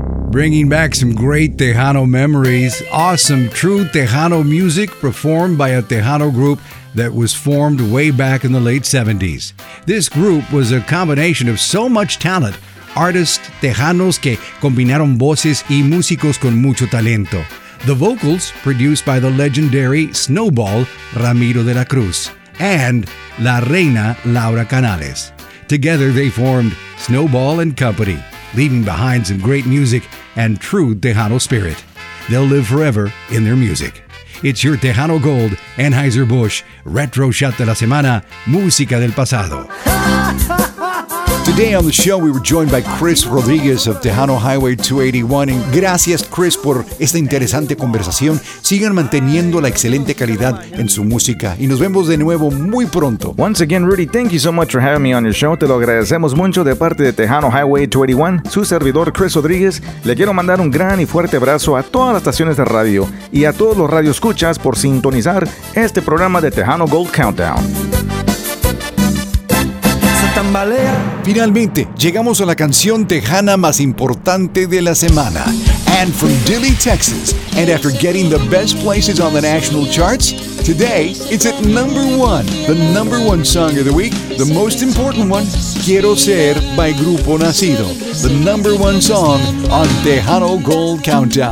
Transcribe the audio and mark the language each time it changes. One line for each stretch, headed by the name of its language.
English: Bringing back some great Tejano memories, awesome true Tejano music performed by a Tejano group that was formed way back in the late 70s. This group was a combination of so much talent,
Spanish: artists tejanos que combinaron voces y músicos con mucho talento.
English: The vocals produced by the legendary Snowball Ramiro de la Cruz and la reina Laura Canales. Together they formed Snowball and Company, leaving behind some great music and true Tejano spirit. They'll live forever in their music. It's your Tejano Gold, Anheuser-Busch, Retro Shot de la Semana, Música del Pasado. Today on the show, we were joined by Chris Rodriguez of Tejano Highway 281.
Spanish: And gracias, Chris, por esta interesante conversación. Sigan manteniendo la excelente calidad en su música. Y nos vemos de nuevo muy pronto.
English: Once again, Rudy, thank you so much for having me on your show.
Spanish: Te lo agradecemos mucho de parte de Tejano Highway 281. Su servidor, Chris Rodriguez, le quiero mandar un gran y fuerte abrazo a todas las estaciones de radio y a todos los radioescuchas por sintonizar este programa de Tejano Gold Countdown. Finalmente, llegamos a la canción tejana más importante de la semana.
English: And from Dilly, Texas, and after getting the best places on the national charts, today it's at number one, the number one song of the week, the most important one, Quiero Ser by Grupo Nacido, the number one song on Tejano Gold Countdown.